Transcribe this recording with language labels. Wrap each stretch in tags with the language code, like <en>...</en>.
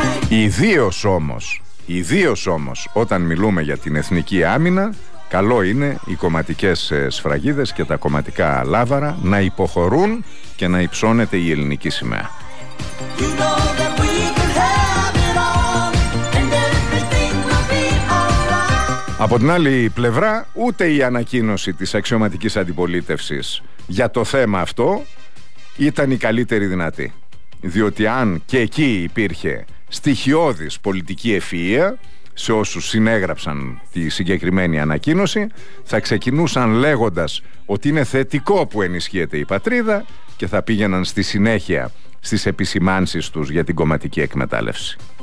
<el>Ιδίως όμως, όταν μιλούμε για την εθνική άμυνα, καλό είναι οι κομματικές σφραγίδες και τα κομματικά λάβαρα να υποχωρούν και να υψώνεται η ελληνική σημαία.</el> <en>You know that we can have it all, and everything will be alright.</en> <el>Από την άλλη πλευρά, ούτε η ανακοίνωση της αξιωματικής αντιπολίτευσης για το θέμα αυτό ήταν η καλύτερη δυνατή. Διότι αν και εκεί υπήρχε στοιχειώδης πολιτική ευφυΐα, σε όσους συνέγραψαν τη συγκεκριμένη ανακοίνωση, θα ξεκινούσαν λέγοντας ότι είναι θετικό που ενισχύεται η πατρίδα και θα πήγαιναν στη συνέχεια στις επισημάνσεις τους για την κομματική εκμετάλλευση.</el>